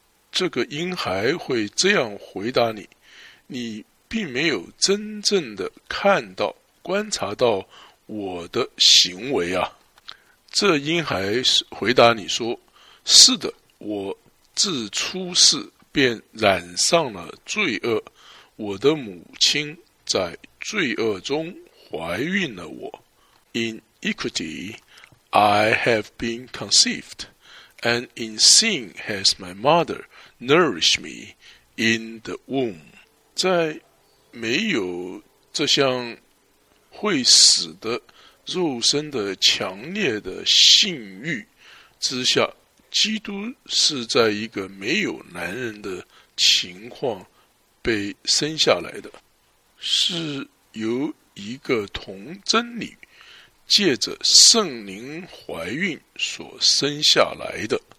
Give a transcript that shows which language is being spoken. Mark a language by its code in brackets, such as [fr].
[zh] 这个婴孩会这样回答你：你并没有真正的看到、观察到我的行为啊。这婴孩回答你说：是的，我自出世便染上了罪恶，我的母亲在罪恶中怀孕了我。 [en] In iniquity I have been conceived, and in sin has my mother nourished me in the womb. [zh] 在没有这项会死的肉身的强烈的性欲之下，基督是在一个没有男人的情况被生下来的，是由一个童贞女借着圣灵怀孕所生下来的。